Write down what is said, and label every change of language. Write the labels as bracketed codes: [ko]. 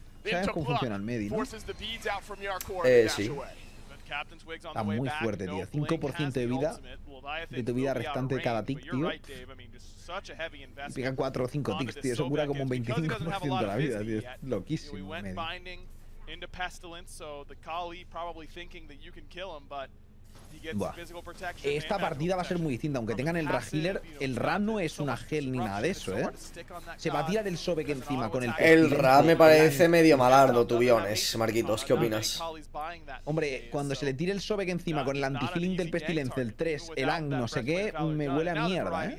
[es] ¿Sabes cómo funciona el Medi, no? Sí. Está muy fuerte, tío. 5% de vida. De tu vida restante de cada tick, tío. Y pica 4 o 5 ticks, tío. Eso cura como un 25% de la vida, tío. Es loquísimo, medio. [en] Into Pestilence, so the Kali probably thinking that you can kill him, but he gets physical protection. [es] Esta partida va a ser muy distinta, aunque tengan el Rag Healer, el Ram no es una gel ni nada de eso, ¿eh? Se va a tirar el Sobek encima con el Pestilence. El Ram me parece medio malardo, tuviones, Marquitos, ¿qué opinas? Hombre, cuando se le tire el Sobek encima con el anti-healing del Pestilence, el 3, el Ang, no sé qué, me huele a mierda, ¿eh?